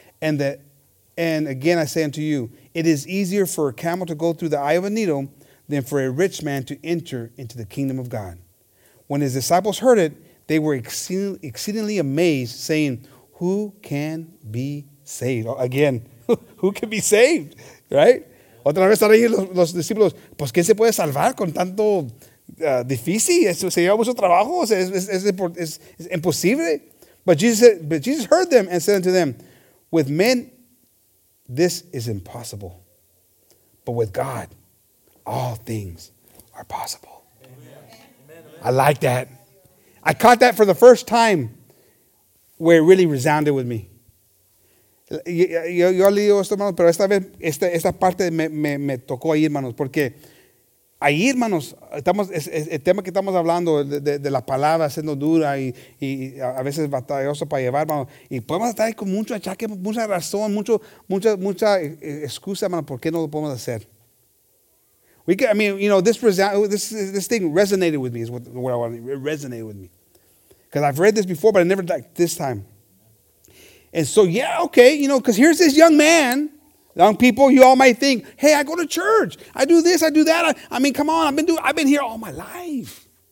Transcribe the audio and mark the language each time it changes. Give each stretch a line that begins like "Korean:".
English: And again I say unto you, it is easier for a camel to go through the eye of a needle than for a rich man to enter into the kingdom of God. When his disciples heard it, they were exceedingly amazed, saying, Who can be saved? Again, who can be saved? Right?
Spanish: Otra vez están ahí los discípulos, pues ¿quién se puede salvar con tanto difícil? ¿Se lleva mucho trabajo? ¿Es imposible?
English: But Jesus heard them and said unto them, With men, this is impossible. But with God, all things are possible. Amen. I like that. I caught that for the first time where it really resounded with me.
Spanish: Yo he leído esto, hermanos, pero esta vez, esta parte me tocó ahí, hermanos, porque ahí, hermanos, el tema que estamos hablando de la palabra siendo dura y a veces batalloso para llevar, hermanos, y podemos estar ahí con mucho achaque, mucha razón, mucha excusa, hermanos, ¿por qué no lo podemos hacer?
English: This thing resonated with me is what I want. It resonated with me. Because I've read this before, but I never like this time. And so, yeah, okay, you know, because here's this young man. Young people, you all might think, hey, I go to church. I do this, I do that. I mean, come on, I've been here all my life.